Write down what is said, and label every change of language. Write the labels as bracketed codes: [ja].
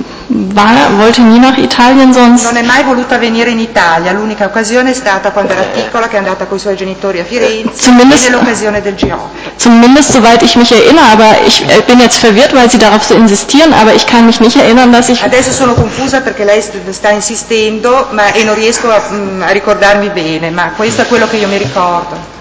[de] Nein, ich wollte nie nach Italien sonst... [it] Non è mai voluto venire in Italia, l'unica occasione è stata quando era piccola, che è andata con i suoi genitori a Firenze, nell'occasione del G8. [de] Zumindest soweit ich mich erinnere, aber ich bin jetzt verwirrt, weil Sie darauf so insistieren, aber ich kann mich nicht erinnern, dass ich... [it] Adesso sono confusa perché lei sta insistendo, ma e non riesco a ricordarmi bene, ma questo è quello che io mi ricordo.